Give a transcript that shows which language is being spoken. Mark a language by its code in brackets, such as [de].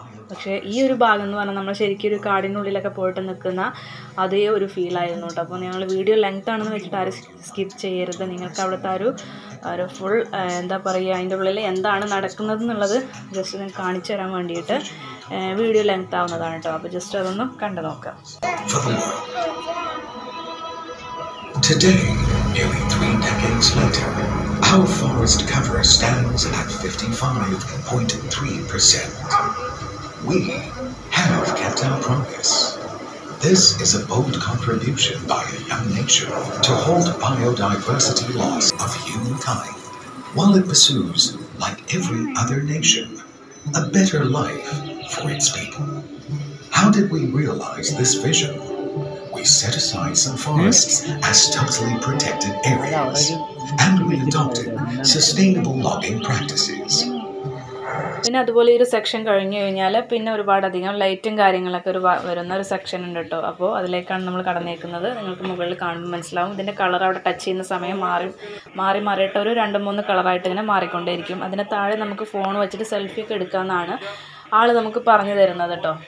[ml] പക്ഷേ ഈ ഒരു ഭാഗം എന്ന് പറഞ്ഞാൽ നമ്മൾ ശരിക്കും ഒരു കാടിനുള്ളിലൊക്കെ പോയിട്ട് നിൽക്കുന്ന അതേ ഒരു ഫീലായിരുന്നു കേട്ടോ. അപ്പോൾ ഞങ്ങൾ വീഡിയോ ലെങ്ത് ആണെന്ന് വെച്ചിട്ട് ആരും സ്കിപ്പ് ചെയ്യരുത്, നിങ്ങൾക്ക് അവിടുത്തെ ഒരു ഫുൾ എന്താ പറയുക അതിൻ്റെ ഉള്ളിൽ എന്താണ് നടക്കുന്നത് എന്നുള്ളത് ജസ്റ്റ് നിങ്ങൾക്ക് കാണിച്ചു തരാൻ വേണ്ടിയിട്ട് വീഡിയോ ലെങ്ത് ആവുന്നതാണ് കേട്ടോ. അപ്പോൾ ജസ്റ്റ് അതൊന്ന് കണ്ടു നോക്കാം. [en] Today, nearly 3 decades later, our forest cover stands at 55.3%. We have kept our promise. This is a bold contribution by a young nation to halt biodiversity loss of humankind, while it pursues, like every other nation, a better life for its people. How did we realize this vision? We set aside some forests as totally protected areas, and we adopted sustainable logging practices. [ml] പിന്നെ അതുപോലെ ഒരു section കഴിഞ്ഞു കഴിഞ്ഞാൽ പിന്നെ ഒരുപാടധികം ലൈറ്റും കാര്യങ്ങളൊക്കെ ഒരു വരുന്ന ഒരു സെക്ഷൻ ഉണ്ട് കേട്ടോ. അപ്പോൾ അതിലേക്കാണ് നമ്മൾ കടന്നേക്കുന്നത്. നിങ്ങൾക്ക് മുകളിൽ കാണുമ്പോൾ മനസ്സിലാവും ഇതിൻ്റെ കളർ അവിടെ ടച്ച് ചെയ്യുന്ന സമയം മാറി മാറി മാറിയിട്ട് ഒരു 2-3 കളറായിട്ട് ഇങ്ങനെ മാറിക്കൊണ്ടേയിരിക്കും. അതിന് താഴെ നമുക്ക് ഫോൺ വെച്ചിട്ട് സെൽഫിയൊക്കെ എടുക്കാമെന്നാണ് ആൾ നമുക്ക് പറഞ്ഞു തരുന്നത് കേട്ടോ.